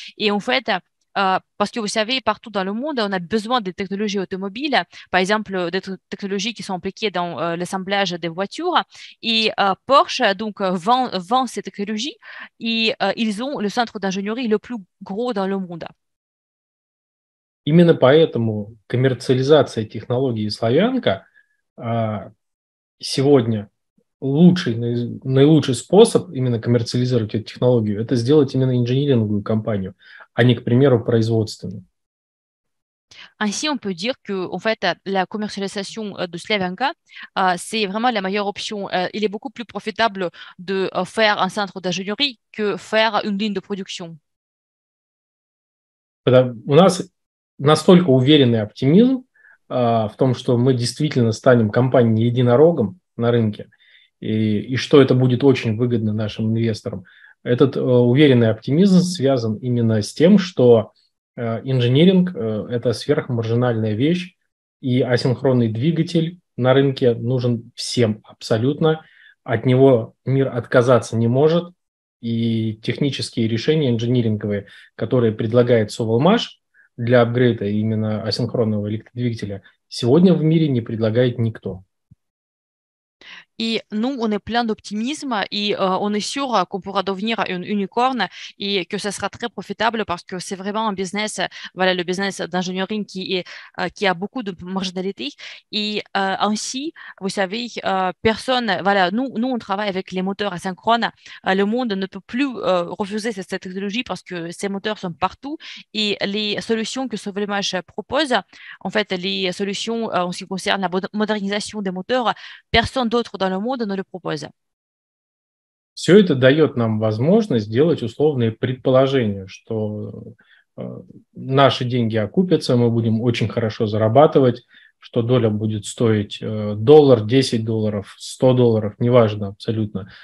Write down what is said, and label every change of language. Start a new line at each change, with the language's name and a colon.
French: Et en fait, parce que vous savez, partout dans le monde, on a besoin des technologies automobiles, par exemple, des technologies qui sont impliquées dans l'assemblage des voitures. Et Porsche donc, vend ces technologies et ils ont le centre d'ingénierie le plus gros dans le monde.
Russian: Именно поэтому коммерциализация технологии Славянка сегодня лучший, наилучший способ именно коммерциализировать эту технологию, это сделать именно инжиниринговую компанию, а не, к примеру, производственную.
French: Ainsi, on peut dire que, en fait, la commercialisation de Slavenka, c'est vraiment la meilleure option. Il est beaucoup plus profitable de faire un centre d'ingénierie que faire une ligne de production.
Russian: У нас настолько уверенный оптимизм в том, что мы действительно станем компанией-единорогом на рынке, и что это будет очень выгодно нашим инвесторам. Этот уверенный оптимизм связан именно с тем, что инжиниринг – это сверхмаржинальная вещь, и асинхронный двигатель на рынке нужен всем абсолютно. От него мир отказаться не может, и технические решения инжиниринговые, которые предлагает Совалмаш для апгрейда именно асинхронного электродвигателя, сегодня в мире не предлагает никто.
French: И, ну, он и plein d'optimisme, и он и sûr qu'on pourra devenir une unicorne, и que ça sera très profitable, parce que c'est vraiment un business, voilà, le business d'ingénierie qui a beaucoup de marginalité. Et ainsi, vous savez, personne, voilà, nous, on travaille avec les moteurs asynchrones. Le monde ne peut plus refuser cette technologie parce que ces moteurs sont partout. Et les solutions que Sauvelmash propose, en fait, les solutions en ce qui concerne la modernisation des moteurs, personne d'autre dans le monde ne le propose.
Russian: Все это дает нам возможность сделать условные предположения, что наши деньги окупятся, мы будем очень хорошо зарабатывать, что доля будет стоить доллар, 10 долларов, 100 долларов, неважно абсолютно.